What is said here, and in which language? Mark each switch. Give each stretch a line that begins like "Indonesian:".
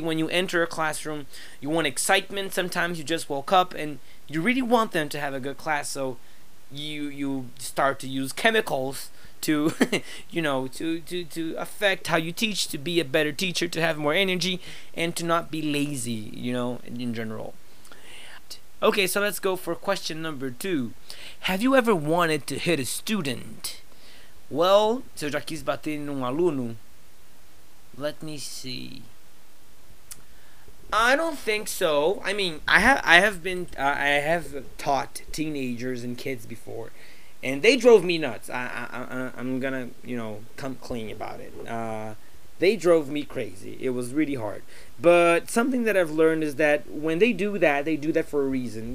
English: When you enter a classroom, you want excitement. Sometimes you just woke up and you really want them to have a good class, so you start to use chemicals to, you know, to affect how you teach, to be a better teacher, to have more energy, and to not be lazy, you know, in general. Okay, so let's go for question number two. Have you ever wanted to hit a student?
Portuguese: Well, se eu já quis bater num aluno,
English: let me see. I don't think so. I mean, I have taught teenagers and kids before, and they drove me nuts. I'm gonna, you know, come clean about it. They drove me crazy. It was really hard. But something that I've learned is that when they do that for a reason.